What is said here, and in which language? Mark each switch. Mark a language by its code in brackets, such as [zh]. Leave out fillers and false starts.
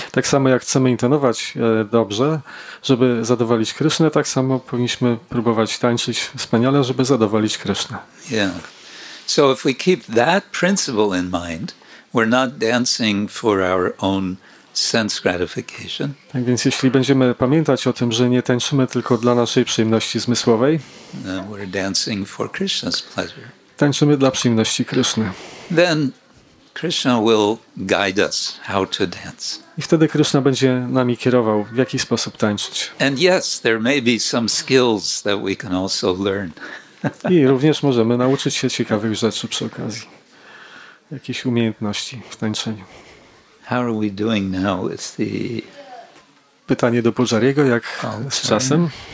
[pl] Tak samo jak chcemy intonować dobrze, żeby zadowolić Krysznę, tak samo powinniśmy próbować tańczyć wspaniale, żeby zadowolić Krysznę. [en] Yeah. So if we keep that principle in mind, we're not dancing for our own sense gratification. [pl] Tak więc jeśli będziemy pamiętać o tym, że nie tańczymy tylko dla naszej przyjemności zmysłowej, [en] we're dancing for Krishna's pleasure. [pl] Tańczymy dla przyjemności Kryszny. [en] Then Krishna will guide us how to dance. [pl] I wtedy Krishna będzie nami kierował, w jaki sposób tańczyć. [en] And yes, there may be some skills that we can also learn. [pl] I również możemy nauczyć się ciekawych rzeczy przy okazji. Jakieś umiejętności w tańczeniu. [en] How are we doing now with the... [pl] Pytanie do Pujariego, jak z czasem?